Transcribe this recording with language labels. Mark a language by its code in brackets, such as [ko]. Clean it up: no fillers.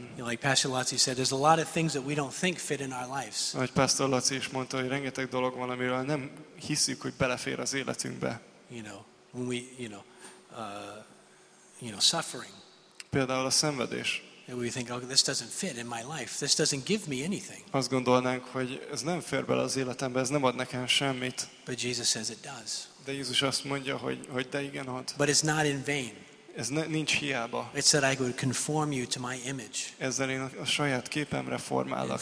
[en] You know, like Pastor Laci said, there's a lot of things that we don't think fit in our lives. [hu] Ahogy Pastor Laci is mondta, hogy rengeteg dolog van, amiről nem hiszük, hogy belefér az életünkbe. [en] You know, when we, you know, suffering. [hu] Például a szenvedés. [en] And we think, oh, this doesn't fit in my life. This doesn't give me anything. [hu] Azt gondolnánk, hogy ez nem fér bele az életembe, ez nem ad nekem semmit. [en] But Jesus says it does. [hu] De Jézus azt mondja, hogy de igen ad. [en] But it's not in vain. [hu] Ez nincs hiába. [en] It's that I would conform you to my image. [hu] Ezzel én a saját képemre formálok